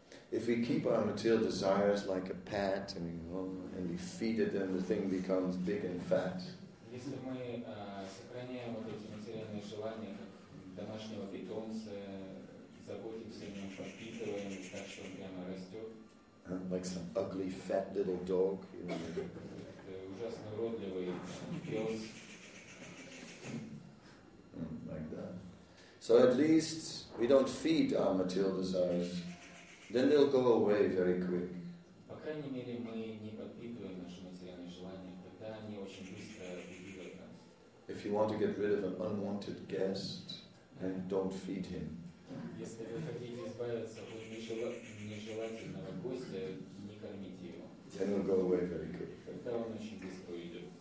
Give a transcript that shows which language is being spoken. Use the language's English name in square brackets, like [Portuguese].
[English] If we keep our material desires like a pet and we feed it, then the thing becomes big and fat. [Russian] Если мы сохраняем вот эти материальные желания как домашнего питомца, заботимся о нем, подпитываем так, что он прямо растет. [English] Like some ugly fat little dog. [Russian] Ужасно уродливый пес. [English] Like that. So at least we don't feed our material desires. Then they'll go away very quick. [Russian] По крайней мере, мы не подпитываем наши материальные желания. Тогда они очень быстро. [English] If you want to get rid of an unwanted guest, then don't feed him. Then he'll go away very quickly.